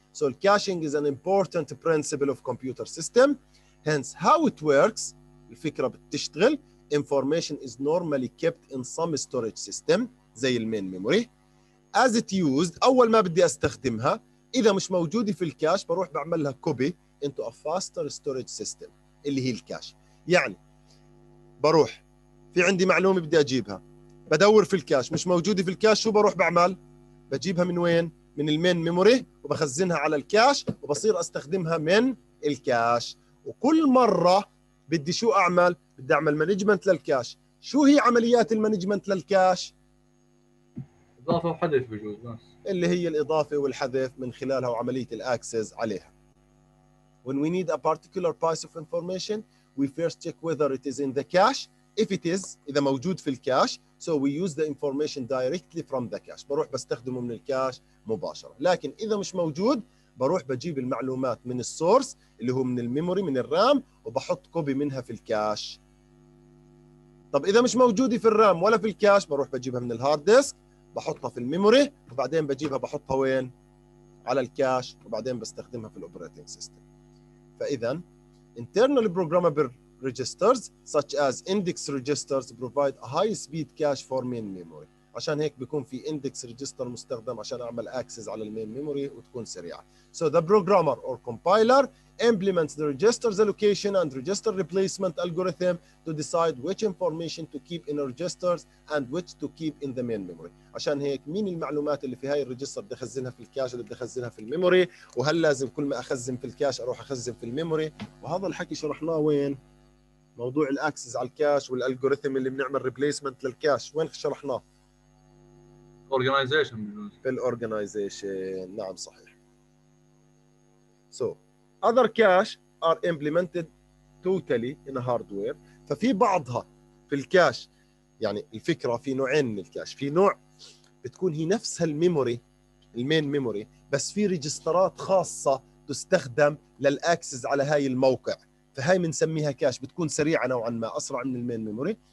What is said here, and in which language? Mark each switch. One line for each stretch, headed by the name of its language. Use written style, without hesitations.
English: So caching is an important principle of computer system. Hence how it works.
Arabic: الفكرة بتشتغل.
English: Information is normally kept in some storage system
Arabic: زي المين ميموري.
English: As it used,
Arabic: أول ما بدي أستخدمها إذا مش موجودة في الكاش بروح بعملها
English: copy into a faster storage system
Arabic: اللي هي الكاش. يعني بروح في عندي معلومة بدي أجيبها، بدور في الكاش، مش موجودة في الكاش، شو بروح بعمل؟ بجيبها من وين؟ من المين ميموري، وبخزنها على الكاش، وبصير استخدمها من الكاش. وكل مره بدي شو اعمل؟ بدي اعمل مانجمنت للكاش. شو هي عمليات المانجمنت للكاش؟ اضافه وحذف بجوز، اللي هي الاضافه والحذف من خلالها وعمليه الاكسس عليها.
English: When we need a particular piece of information we first check whether it is in the cache. If it is،
Arabic: اذا موجود في الكاش،
English: so we use the information directly from the cache،
Arabic: بروح بستخدمه من الكاش مباشرة. لكن إذا مش موجود بروح بجيب المعلومات من السورس اللي هو من الميموري من الرام، وبحط كوبي منها في الكاش. طب إذا مش موجودة في الرام ولا في الكاش، بروح بجيبها من الهارد ديسك بحطها في الميموري، وبعدين بجيبها بحطها وين؟ على الكاش، وبعدين بستخدمها في الأوبريتنج سيستم.
English: فإذا internal programmable registers such as index registers provide a high speed cache for main memory.
Arabic: عشان هيك بيكون في اندكس ريجستر مستخدم عشان اعمل اكسس على المين ميموري وتكون سريعه.
English: So the programmer or compiler implements the register's allocation and register replacement algorithm to decide which information to keep in registers and which to keep in the main memory.
Arabic: عشان هيك مين المعلومات اللي في هاي الريجستر بدي اخزنها في الكاش ولا بدي اخزنها في الميموري، وهل لازم كل ما اخزن في الكاش اروح اخزن في الميموري. وهذا الحكي شرحناه وين؟ موضوع الاكسس على الكاش والالجوريثم اللي بنعمل ريبليسمنت للكاش، وين شرحناه؟
English: organization.
Arabic: في الorganization. نعم صحيح.
English: So other cache are implemented totally in a hardware.
Arabic: ففي بعضها في الكاش، يعني الفكرة في نوعين من الكاش. في نوع بتكون هي نفسها الميموري المين ميموري، بس في ريجسترات خاصة تستخدم للأكسس على هاي الموقع، فهاي منسميها كاش، بتكون سريعة نوعا ما، أسرع من المين ميموري.